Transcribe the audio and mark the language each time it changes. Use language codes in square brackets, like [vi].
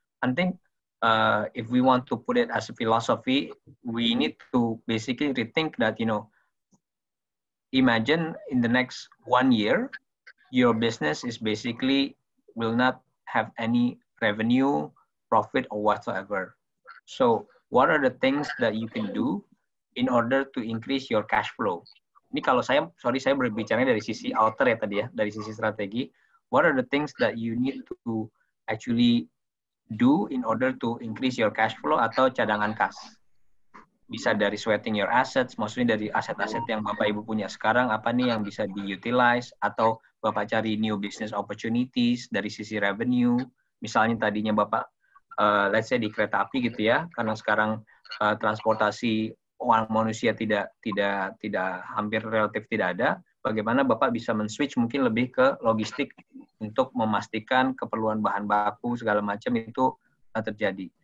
[en] I think if we want to put it as a philosophy, we need to basically rethink that, you know, imagine in the next 1 year, your business is basically will not have any revenue, profit, or whatsoever. So what are the things that you can do in order to increase your cash flow. [id] Ini kalau saya, sorry, saya berbicaranya dari sisi outer ya tadi ya, dari sisi strategi. [en] What are the things that you need to actually do in order to increase your cash flow [id] atau cadangan kas? Bisa dari [en] sweating your assets, [id] maksudnya dari aset-aset yang Bapak Ibu punya sekarang, apa nih yang bisa diutilize, atau Bapak cari [en] new business opportunities [id] dari sisi revenue. Misalnya tadinya Bapak, [en] let's say [id] di kereta api gitu ya, karena sekarang transportasi orang manusia tidak hampir relatif tidak ada, bagaimana Bapak bisa men-switch mungkin lebih ke logistik untuk memastikan keperluan bahan baku segala macam itu terjadi.